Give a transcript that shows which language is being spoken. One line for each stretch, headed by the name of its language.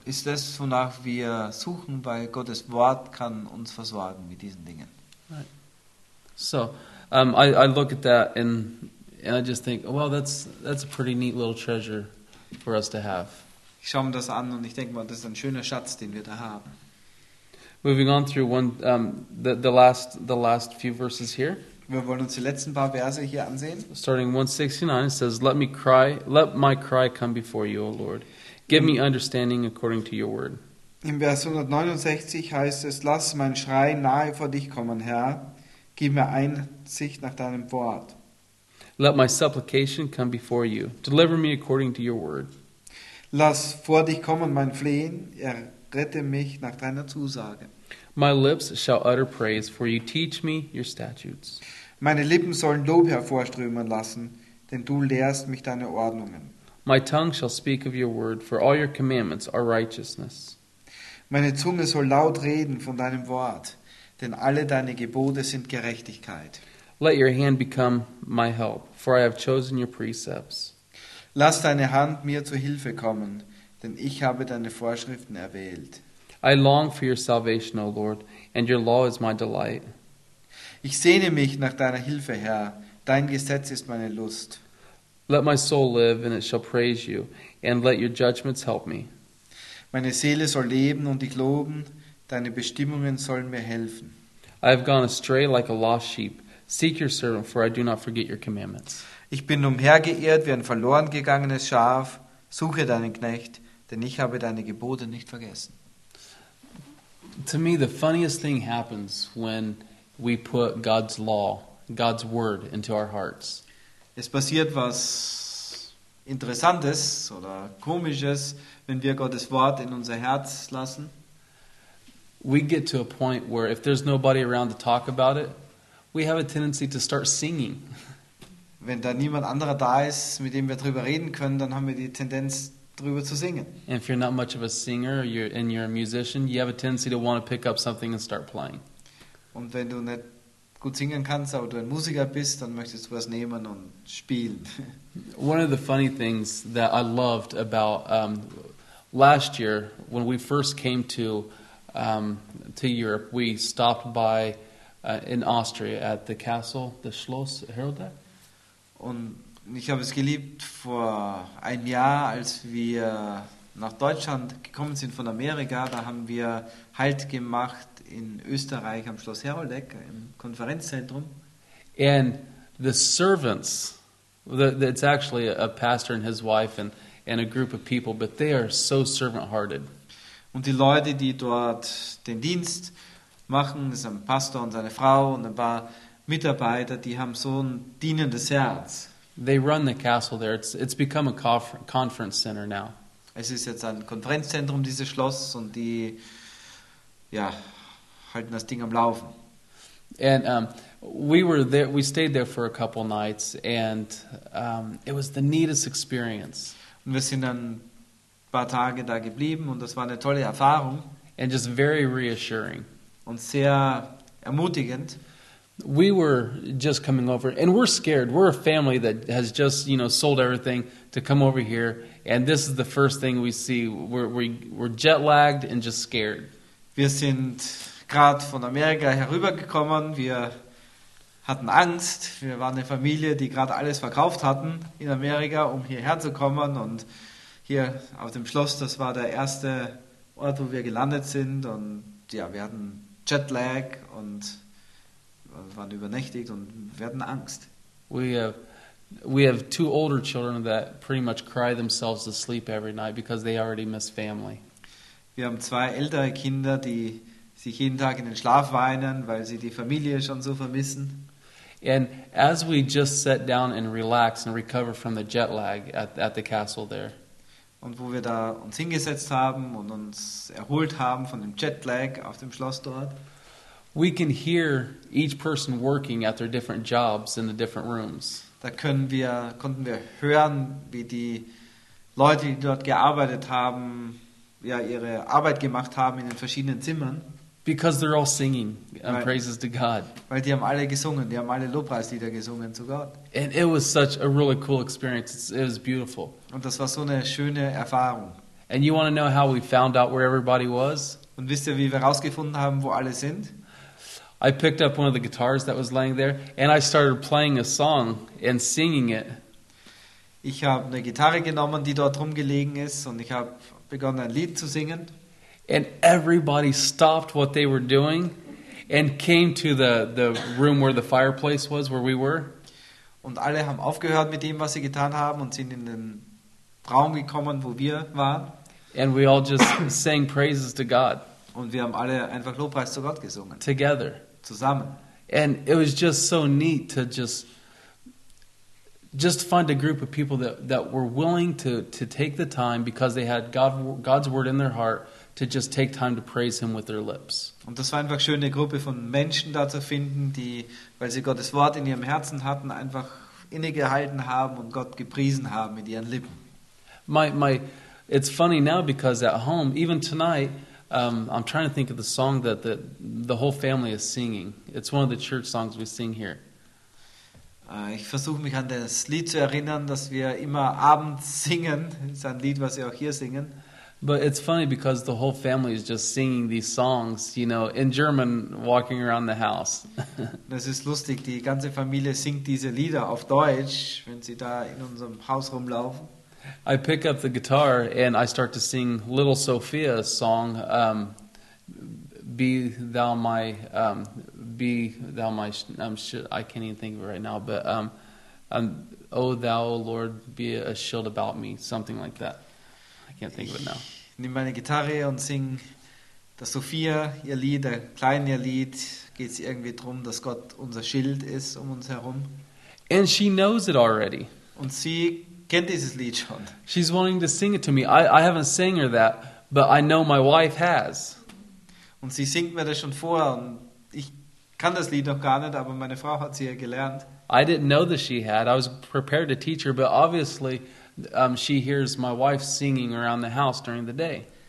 German: Ist das, wonach wir suchen, weil Gottes Wort kann uns versorgen mit diesen Dingen.
English: Right. So, I look at that and I just think, well, that's a pretty neat little treasure for us to have.
German: Ich schaue mir das an und ich denke mal, das ist ein schöner Schatz, den wir da haben.
English: Moving on through the last few verses here.
German: Wir wollen uns die letzten paar Verse hier ansehen.
English: Starting 169, it says, "Let me cry, let my cry come before you, O Lord. Give me understanding according to your word."
German: In Vers 169 heißt es, "Lass mein Schrei nahe vor dich kommen, Herr. Gib mir Einsicht nach deinem Wort."
English: "Let my supplication come before you. Deliver me according to your word."
German: Lass vor dich kommen mein Flehen, errette mich nach deiner Zusage.
English: "My lips shall utter praise, for you teach me your statutes."
German: Meine Lippen sollen Lob hervorströmen lassen, denn du lehrst mich deine Ordnungen.
English: "My tongue shall speak of your word, for all your commandments are righteousness."
German: Meine Zunge soll laut reden von deinem Wort, denn alle deine Gebote sind Gerechtigkeit.
English: "Let your hand become my help, for I have chosen your precepts."
German: Lass deine Hand mir zu Hilfe kommen, denn ich habe deine Vorschriften erwählt.
English: "I long for your salvation, O Lord, and your law is my delight."
German: Ich sehne mich nach deiner Hilfe, Herr, dein Gesetz ist meine Lust.
English: "Let my soul live, and it shall praise you, and let your judgments help me."
German: Meine Seele soll leben und dich loben, deine Bestimmungen sollen mir helfen.
English: "I have gone astray like a lost sheep. Seek your servant, for I do not forget your commandments."
German: Ich bin umhergeirrt wie ein verloren gegangenes Schaf. Suche deinen Knecht, denn ich habe deine Gebote nicht vergessen.
English: To me, the funniest thing happens when we put God's law, God's word, into our hearts.
German: Es passiert was Interessantes oder Komisches, wenn wir Gottes Wort in unser Herz lassen.
English: We get to a point where if there's nobody around to talk about it, we have a tendency to start singing.
German: Wenn da niemand anderer da ist, mit dem wir drüber reden können, dann haben wir die Tendenz, drüber zu singen.
English: And if you're not much of a singer, you're a musician, you have a tendency to want to pick up something and start playing.
German: Und wenn du nicht gut singen kannst, aber du ein Musiker bist, dann möchtest du was nehmen und spielen.
English: One of the funny things that I loved about last year, when we first came to Europe, we stopped by in Austria at the castle, the Schloss Herodeck.
German: Und ich habe es geliebt, vor einem Jahr, als wir nach Deutschland gekommen sind von Amerika, da haben wir Halt gemacht in Österreich am Schloss Herodeck, im Konferenzzentrum.
English: And the servants, it's actually a pastor and his wife and a group of people, but they are so servant-hearted.
German: Und die Leute, die dort den Dienst machen, ist ein Pastor und seine Frau und ein paar Mitarbeiter, die haben so ein dienendes Herz.
English: They run the castle there. It's become a conference center now.
German: Es ist jetzt ein Konferenzzentrum, dieses Schloss, und die ja, halten das Ding am Laufen.
English: And we stayed there for a couple nights, and it was the neatest experience.
German: Und wir sind dann ein paar Tage da geblieben, und das war eine tolle Erfahrung.
English: And just very reassuring.
German: Und sehr ermutigend.
English: We were just coming over, and we're scared. We're a family that has just, you know, sold everything to come over here, and this is the first thing we see. We're jet-lagged and just scared.
German: Wir sind gerade von Amerika herübergekommen. Wir hatten Angst. Wir waren eine Familie, die gerade alles verkauft hatten in Amerika, um hierher zu kommen. Und hier auf dem Schloss, das war der erste Ort, wo wir gelandet sind. Und ja, wir hatten Jetlag und waren übernächtigt und wir hatten Angst.
English: We have two older children that pretty much cry themselves to sleep every night because they already miss family.
German: Wir haben zwei ältere Kinder, die sich jeden Tag in den Schlaf weinen, weil sie die Familie schon so vermissen.
English: And as we just sat down and relaxed and recovered from the jet lag at the castle there.
German: Und wo wir da uns hingesetzt haben und uns erholt haben von dem Jet lag auf dem Schloss dort.
English: We can hear each person working at their different jobs in the different rooms.
German: Da konnten wir hören, wie die Leute, die dort gearbeitet haben, ja, ihre Arbeit gemacht haben in den verschiedenen Zimmern.
English: Because they're all singing praises to God.
German: Weil die haben alle gesungen, die haben alle Lobpreislieder gesungen zu Gott.
English: And it was such a really cool experience. It was beautiful.
German: Und das war so eine schöne Erfahrung.
English: And you want to know how we found out where everybody was?
German: Und wisst ihr, wie wir rausgefunden haben, wo alle sind?
English: I picked up one of the guitars that was laying there and I started playing a song and singing it.
German: Ich habe eine Gitarre genommen, die dort rumgelegen ist und ich habe begonnen ein Lied zu singen.
English: And everybody stopped what they were doing and came to the room where the fireplace was, where we were.
German: Und alle haben aufgehört mit dem, was sie getan haben und sind in den Raum gekommen, wo wir waren.
English: And we all just sang praises to God.
German: Und wir haben alle einfach Lobpreis zu Gott gesungen.
English: Together.
German: Zusammen.
English: And it was just so neat to just find a group of people that were willing to take the time because they had God's word in their heart to just take time to praise him with their lips.
German: Und das war einfach schön, eine Gruppe von Menschen da zu finden, die, weil sie Gottes Wort in ihrem Herzen hatten, einfach innegehalten haben und Gott gepriesen haben mit ihren Lippen.
English: My it's funny now because at home, even tonight, I'm trying to think of the song that the whole family is singing. It's one of the church songs we sing here.
German: Ich versuche mich an das Lied zu erinnern, das wir immer abends singen. Es ist ein Lied, was wir auch hier singen.
English: But it's funny because the whole family is just singing these songs, you know, in German, walking around the house.
German: Das ist lustig. Die ganze Familie singt diese Lieder auf Deutsch, wenn sie da in unserem Haus rumlaufen.
English: I pick up the guitar and I start to sing Little Sophia's song, I can't even think of it right now, but O Thou Lord, be a shield about me, something like that. I can't think of it now.
German: Ich nehme meine Gitarre und sing das Sophia, ihr Lied, der Kleine, ihr Lied. Geht es irgendwie darum, dass Gott unser Schild ist um uns herum?
English: And she knows it already.
German: Und sie kennt dieses Lied schon.
English: She's wanting to sing it to me. I haven't sang her that, but I know my wife has.
German: Und sie singt mir das schon vor und ich kann das Lied noch gar nicht, aber meine Frau hat sie ja gelernt.
English: I didn't know that she had. I was prepared to teach her, but obviously she hears my wife singing around the house during the day.